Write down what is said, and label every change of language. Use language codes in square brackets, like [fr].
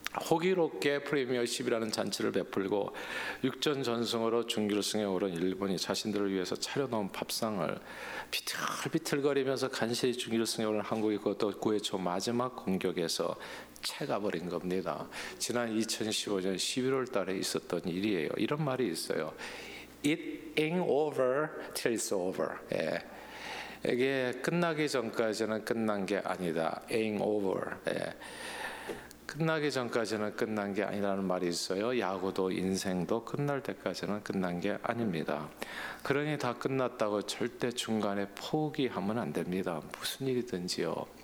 [ko] 호기롭게 프리미어 10이라는 잔치를 베풀고 6전 전승으로 준결승에 오른 일본이 자신들을 위해서 차려놓은 밥상을 비틀비틀거리면서 간신히 준결승에 오른 한국이 그것도 9회 초 마지막 공격에서 채가버린 겁니다. 지난 2015년 11월 달에 있었던 일이에요. 이런 말이 있어요. [en] It ain't over till it's over. [ko] 예. 이게 끝나기 전까지는 끝난 게 아니다. [en] Ain't over. 예. [ko] 끝나기 전까지는 끝난 게 아니라는 말이 있어요. 야구도 인생도 끝날 때까지는 끝난 게 아닙니다. 그러니 다 끝났다고 절대 중간에 포기하면 안 됩니다. 무슨 일이든지요.